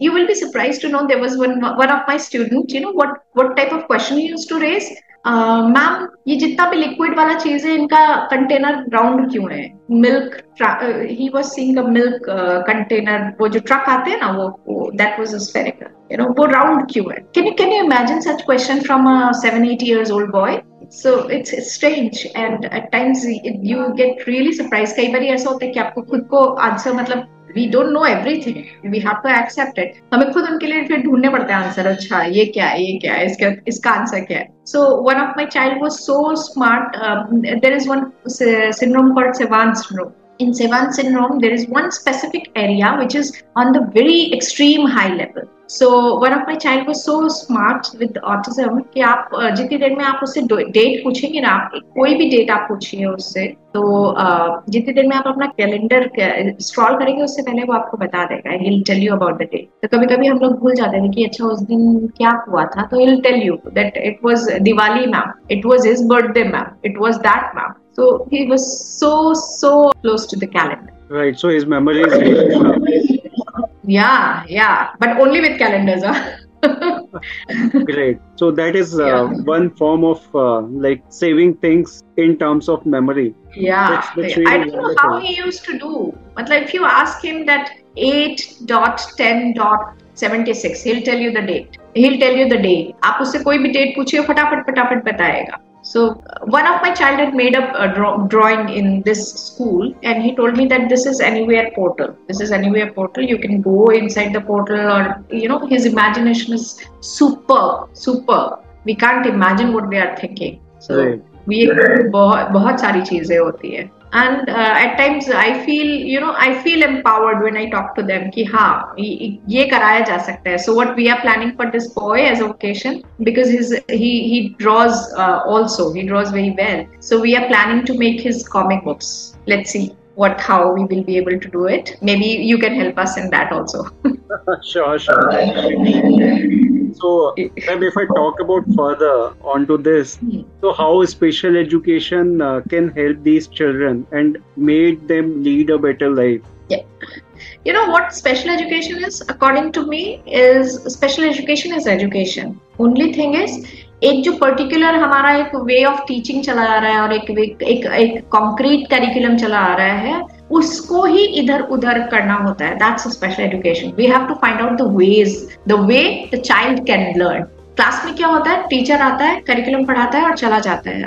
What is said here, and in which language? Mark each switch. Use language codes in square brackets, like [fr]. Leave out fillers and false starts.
[en] You will be surprised to know there was one of my students, what type of question he used to raise. [hi] Ma'am ये जितना भी liquid वाला चीज है इनका container round क्यों है? [en] milk, he was seeing a milk container, [hi] वो जो ट्रक आते हैं ना वो [en] That was a spherical, वो round क्यों है? Can you imagine such question from a 7-8 years old boy? So it's strange and at times you get really surprised. [hi] कई बार ऐसा होता है कि आपको खुद को आंसर, मतलब [en] we don't know everything, we have to accept it. [hi] हमें खुद उनके लिए फिर ढूंढने पड़ते हैं आंसर, अच्छा ये क्या है इसका आंसर क्या है. [en] So one of my child was so smart. There is one syndrome called Sevan syndrome. In Sevan syndrome there is one specific area which is on the very extreme high level. So one of my child was so smart with autism [hi] कि आप जितनी देर में आप उससे date पूछेंगे ना, कोई भी डेट आप पूछिए उससे, तो जितनी देर में आप अपना कैलेंडर स्क्रॉल करेंगे उससे पहले वो आपको बता देगा, [en] he'll tell you about the date. [hi] तो कभी कभी हम लोग भूल जाते हैं कि अच्छा उस दिन क्या हुआ था, तो [en] he'll tell you that it was Diwali ma'am, it was his birthday ma'am, it was that ma'am. So he was so so close to the calendar. Right, so his memory is really sharp. Yeah, but only with calendars. Great. So that is one form of saving things in terms of memory. That's really, I don't know how he used to do. But like if you ask him that 8.10.76, he'll tell you the date. He'll tell you the day. [hi] आप उससे कोई भी date पूछिए, फटाफट बताएगा. [en] So one of my child had made up a drawing in this school and he told me that this is anywhere portal, you can go inside the portal, or his imagination is super. We can't imagine what they are thinking. So [hi] bahut sari cheeze hoti hai. [en] And at times I feel empowered when I talk to them [hi] ki ha ye karaya ja sakta hai. [en] So what we are planning for this boy as a vocation, because he draws also, he draws very well, so we are planning to make his comic books. Let's see how we will be able to do it. Maybe you can help us in that also. sure. So, if I talk about further onto this, so how special education can help these children and make them lead a better life? You know what special education is, according to me, is special education is education. Only thing is, [hi] एक जो particular हमारा एक way of teaching चला आ रहा है और एक concrete curriculum चला आ रहा है उसको ही इधर उधर करना होता है. [en] That's special education. We have to find out the ways, the way the child can learn. [hi] Class में क्या होता है, टीचर आता है, करिकुलम पढ़ाता है और चला जाता है.